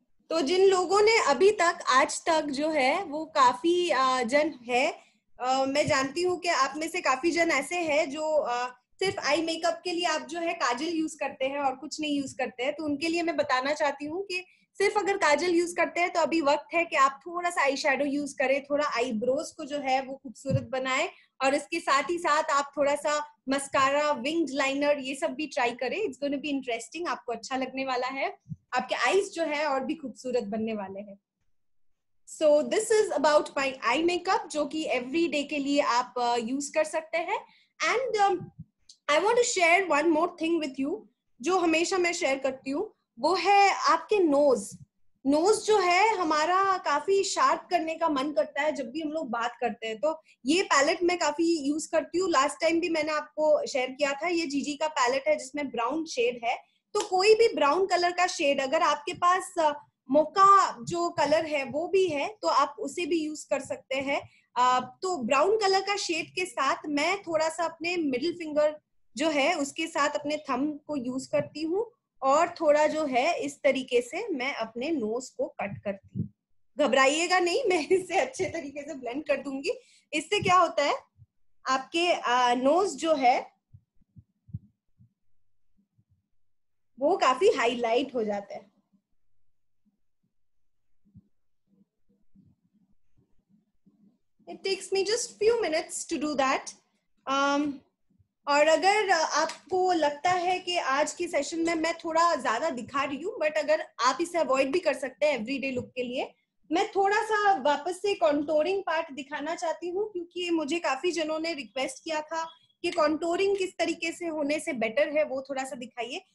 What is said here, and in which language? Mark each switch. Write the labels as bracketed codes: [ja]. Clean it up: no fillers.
[hi] तो जिन लोगों ने अभी तक आज तक जो है वो काफी जन है, मैं जानती हूँ कि आप में से काफी जन ऐसे हैं जो सिर्फ आई मेकअप के लिए आप जो है काजल यूज करते हैं और कुछ नहीं यूज करते हैं, तो उनके लिए मैं बताना चाहती हूँ कि सिर्फ अगर काजल यूज करते हैं तो अभी वक्त है कि आप थोड़ा सा आई शेडो यूज करें, थोड़ा आईब्रोज को जो है वो खूबसूरत बनाएं, और इसके साथ ही साथ आप थोड़ा सा मस्कारा विंग्ड लाइनर ये सब भी ट्राई करें। [en] it's gonna be interesting, [hi] आपको अच्छा लगने वाला है, आपके आईज जो है और भी खूबसूरत बनने वाले हैं। [en] so this is about my eye makeup जो कि every day [hi] के लिए आप [en] use [hi] कर सकते हैं। [en] and I want to share one more thing with you, [hi] जो हमेशा मैं share करती हूँ वो है आपके [en] nose. [hi] Nose जो है हमारा काफी sharp करने का मन करता है जब भी हम लोग बात करते हैं, तो ये palette मैं काफी use करती हूँ। Last time भी मैंने आपको share किया था, ये GG का palette है जिसमें brown shade है, तो कोई भी brown color का shade अगर आपके पास मौका जो color है वो भी है तो आप उसे भी use कर सकते हैं। तो ब्राउन कलर का शेड के साथ मैं थोड़ा सा अपने मिडिल फिंगर जो है उसके साथ अपने थंब को यूज करती हूँ और थोड़ा जो है इस तरीके से मैं अपने नोज को कट करती हूँ। घबराइएगा नहीं, मैं इसे अच्छे तरीके से ब्लेंड कर दूंगी। इससे क्या होता है आपके नोज जो है वो काफी हाईलाइट हो जाता है। [en] It takes me just few minutes to do that. [hi] और अगर आपको लगता है कि आज के सेशन में मैं थोड़ा ज्यादा दिखा रही हूँ, बट अगर आप इसे अवॉइड भी कर सकते हैं एवरी डे लुक के लिए, मैं थोड़ा सा वापस से कॉन्टोरिंग पार्ट दिखाना चाहती हूँ क्योंकि मुझे काफी जनों ने रिक्वेस्ट किया था कि कॉन्टोरिंग किस तरीके से होने से बेटर है वो थोड़ा सा दिखाइए।